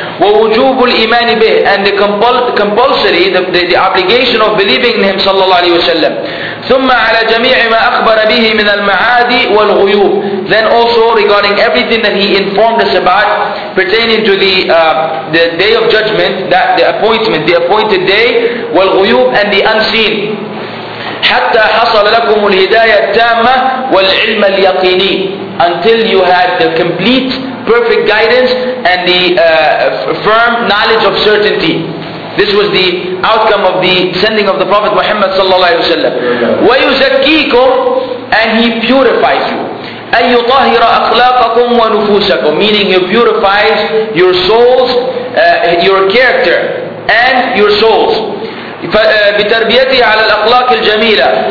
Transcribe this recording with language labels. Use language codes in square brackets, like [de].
[ar] وَوُجُوبُ الْإِيمَانِ بِهِ. [en] And the compulsory, the obligation of believing in Him sallallahu alayhi wa sallam. [ar] ثُمَّ عَلَىٰ جَمِيعِ مَا أَخْبَرَ بِهِ مِنَ الْمَعَادِ وَالْغُيُوبِ. [en] Then also regarding everything that He informed us about pertaining to the day of judgment, that the appointment, the appointed day, وَالْغُيُوبِ, and the unseen. [ar] حتى حصل لكم الهداية التامة والعلم اليقيني. [en] Until you had the complete perfect guidance and the firm knowledge of certainty. This was the outcome of the sending of the Prophet Muhammad [ar] صلى الله عليه وسلم. [en] ويزكيكم. And he purifies you. [ar] أن يطهر أخلاقكم ونفوسكم. [en] Meaning he purifies your souls, your character and your souls. [ar] بتربيته على الأخلاق الجميلة.